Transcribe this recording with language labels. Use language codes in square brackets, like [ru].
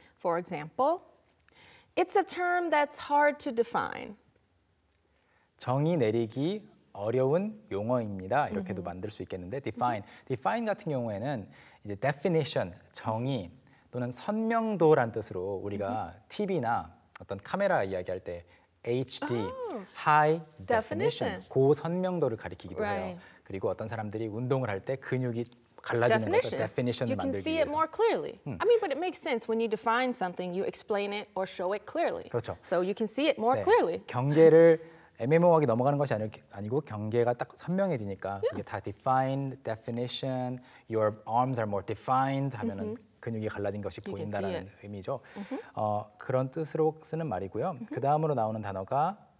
[en] For example, it's a term that's hard to define. [ko] 정의 내리기 어려운 용어입니다. 이렇게도 mm-hmm. 만들 수 있겠는데, define. Mm-hmm. Define 같은 경우에는 이제 definition, 정의 또는 선명도란 뜻으로 우리가 mm-hmm. TV나 어떤 카메라 이야기할 때 HD, oh. high definition, 고선명도를 가리키기도 [en] right. [ko] 해요. 그리고 어떤 사람들이 운동을 할 때 근육이 갈라지는 [en] definition. [ko] 것도 definition을 만들기 위해서. [en] You can see it more clearly. I mean, but it makes sense. When you define something, you explain it or show it clearly. [ko] 그렇죠. [en] So you can see it more [ko] 네. [en] clearly. [ko] 경계를 애매모호하게 넘어가는 것이 아니고 경계가 딱 선명해지니까 그게 [en] yeah. [ko] 다 defined, definition, [en] your arms are more defined [ko] 하면 mm-hmm. 근육이 갈라진 것이 [en] you [ko] 보인다라는 의미죠. Mm-hmm. 그런 뜻으로 쓰는 말이고요. Mm-hmm. 그 다음으로 나오는 단어가